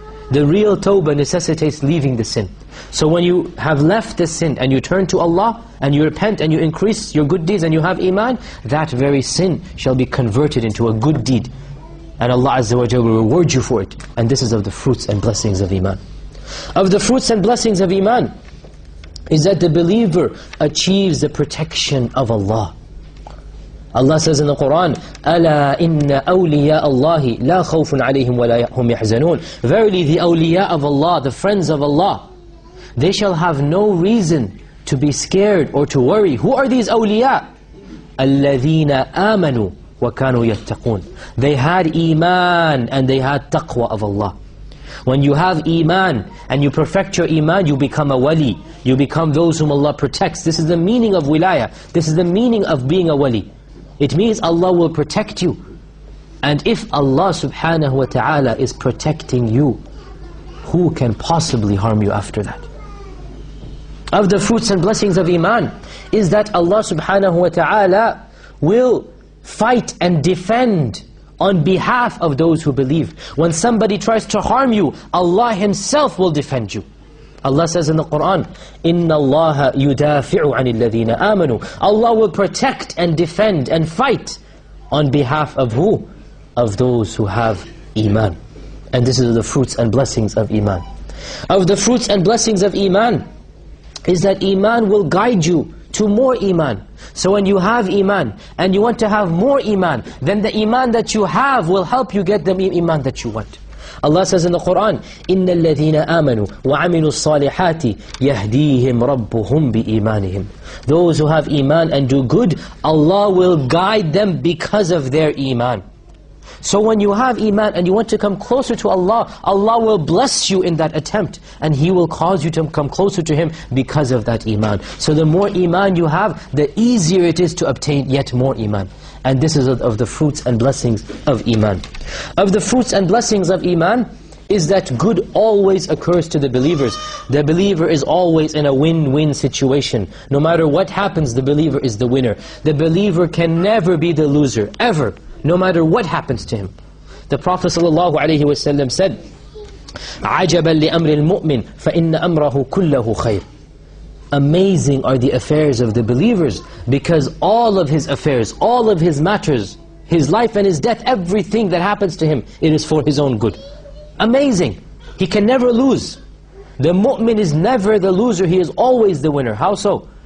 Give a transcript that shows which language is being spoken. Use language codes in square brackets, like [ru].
[en] The real tawbah necessitates leaving the sin. So when you have left the sin and you turn to Allah and you repent and you increase your good deeds and you have iman, that very sin shall be converted into a good deed. And Allah Azza wa Jalla will reward you for it. And this is of the fruits and blessings of iman. Of the fruits and blessings of iman is that the believer achieves the protection of Allah. Allah says in the Quran, [ar] أَلَا إِنَّ أَوْلِيَاءَ اللَّهِ لَا خَوْفٌ عَلَيْهِمْ وَلَا هُمْ يَحْزَنُونَ. [en] Verily the awliya of Allah, the friends of Allah, they shall have no reason to be scared or to worry. Who are these awliya? [ar] الَّذِينَ آمَنُوا وَكَانُوا يَتَّقُونَ. [en] They had iman and they had taqwa of Allah. When you have iman and you perfect your iman, you become a wali. You become those whom Allah protects. This is the meaning of wilaya. This is the meaning of being a wali. It means Allah will protect you. And if Allah subhanahu wa ta'ala is protecting you, who can possibly harm you after that? Of the fruits and blessings of iman is that Allah subhanahu wa ta'ala will fight and defend on behalf of those who believe. When somebody tries to harm you, Allah Himself will defend you. Allah says in the Quran, [ar] إِنَّ اللَّهَ يُدَافِعُ عَنِ الَّذِينَ آمَنُوا. [en] Allah will protect and defend and fight on behalf of who? Of those who have iman. And this is the fruits and blessings of iman. Of the fruits and blessings of iman is that iman will guide you to more iman. So when you have iman and you want to have more iman, then the iman that you have will help you get the iman that you want. Allah says in the Quran, [ar] إِنَّ الَّذِينَ آمَنُوا وَعَمِلُوا الصَّالِحَاتِ يَهْدِيهِمْ رَبُّهُمْ بِإِيمَانِهِمْ. [en] Those who have iman and do good, Allah will guide them because of their iman. So when you have iman and you want to come closer to Allah, Allah will bless you in that attempt. And He will cause you to come closer to Him because of that iman. So the more iman you have, the easier it is to obtain yet more iman. And this is of the fruits and blessings of iman. Of the fruits and blessings of iman is that good always occurs to the believers. The believer is always in a win-win situation. No matter what happens, the believer is the winner. The believer can never be the loser, ever. No matter what happens to him. The Prophet sallallahu alaihi wasallam said, [ar] عَجَبًا لِأَمْرِ الْمُؤْمِنِ فَإِنَّ أَمْرَهُ كُلَّهُ خَيْرٌ. [en] Amazing are the affairs of the believers, because all of his affairs, all of his matters, his life and his death, everything that happens to him, it is for his own good. Amazing. He can never lose. The mu'min is never the loser, he is always the winner. How so?